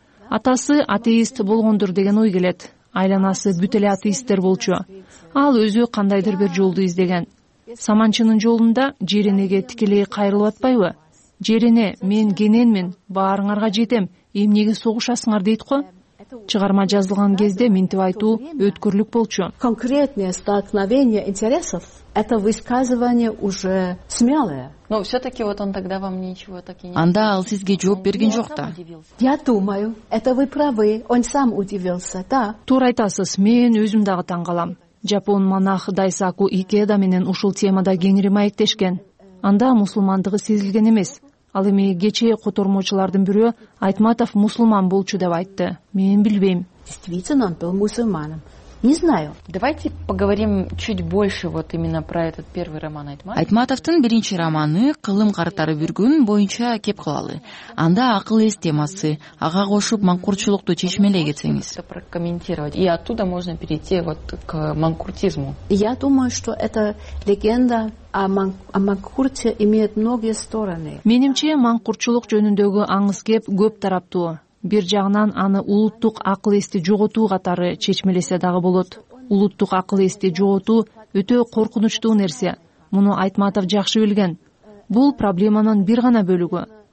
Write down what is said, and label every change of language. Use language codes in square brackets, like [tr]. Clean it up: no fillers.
[ky] Атасы атеист болгондур деген ой келет. Айланасы бүт эле атеисттер болчу. Ал өзү кандайдыр бир жолду издеген. Саманчынын жолунда жеренеге тикилей кайрылып атпайбы? Жерене, мен кененмин, баарыңарга жетем, эмнеге согушасыңар дейт го? Чыгарма жазылган кезде минтип айтуу өткөрлүк болчу. [ru] Конкретное столкновение интересов – это высказывание уже смелое. Но все-таки вот он тогда вам ничего так и не... [ky] Анда ал сизге жооп берген жок да. [ru] Я думаю, это вы правы, он сам удивился, да? [ky] Туура айтасыз, мен өзүм дагы таң калам. Жапон монах Дайсаку Икеда менен ушул темада кеңири маектешкен. Анда мусулмандыгы сезилген эмес. Ал эми кечээ котормочулардын бирөө Айтматов мусулман болчу деп айтты. Мен билбейм. [ru] Действительно, он был мусульманом. Не знаю. Давайте поговорим чуть больше вот именно про этот первый роман Айтматов. [ky] Айтматовдун биринчи романы «Кылым картары бир күн» боюнча кеп кылалы. Анда акыл эс темасы, ага кошуп маңкурчулукту чечмелей кетсеңиз. [ru] Прокомментировать. И оттуда можно перейти вот к маңкуртизму. Я думаю, что это легенда о маңкурте имеет многие стороны. [ky] Менимче маңкурчулук жөнүндөгү аңыз кеп көп тараптуу. Бир жагынан аны улуттук акыл эсти жоготуу катары чечмелесе дагы болот. Улуттук акыл эсти жоготуу өтө коркунучтуу нерсе. Муну Айтматов жакшы билген. Бул проблеманын бир гана бөлүгү.